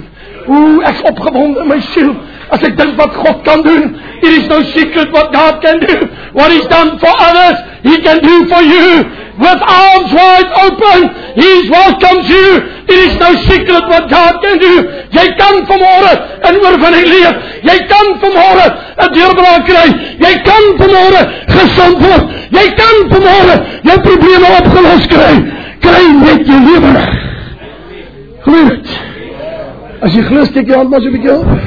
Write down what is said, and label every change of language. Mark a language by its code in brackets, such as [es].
[af] Oeh, ek is opgewonde in my siel. As ek dink wat God kan doen. [en] It is no secret what God can do. What he's done for others, he can do for you. with arms wide open. He welcomes you. It is no secret what God can do. [af] Jy kan vanmôre in oorwinning leef. Jy kan vanmôre 'n deurbraak kry. Jy kan vanmôre gesond word. Jy kan vanmôre jou probleme opgelos kry. Kry net jou lewe reg. Goed. As jy glo, steek jy hand maar so 'n bietjie op.